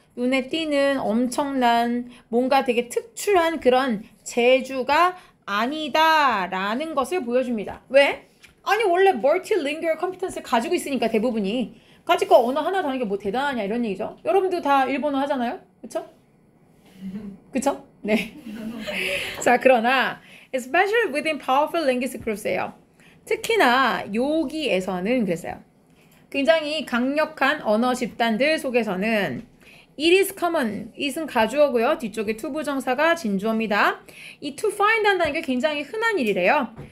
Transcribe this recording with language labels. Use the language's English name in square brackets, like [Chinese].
[Korean] 눈에 띄는 엄청난 뭔가 되게 특출한 그런 재주가 아니다라는 것을 보여줍니다. 왜? 아니 원래 multilingual competence를 가지고 있으니까 대부분이 가지고 언어 하나 다는 게 뭐 대단하냐 이런 얘기죠. 여러분도 다 일본어 하잖아요. 그쵸? 그쵸? 네. [English] 자, 그러나 especially within powerful language groups예요. [Korean] 특히나 여기에서는 그랬어요. 굉장히 강력한 언어 집단들 속에서는 [English] It is common. [Korean] It은 가주어고요. 뒤쪽에 to 부정사가 진주어입니다. 이 to find 한다는 게 굉장히 흔한 일이래요.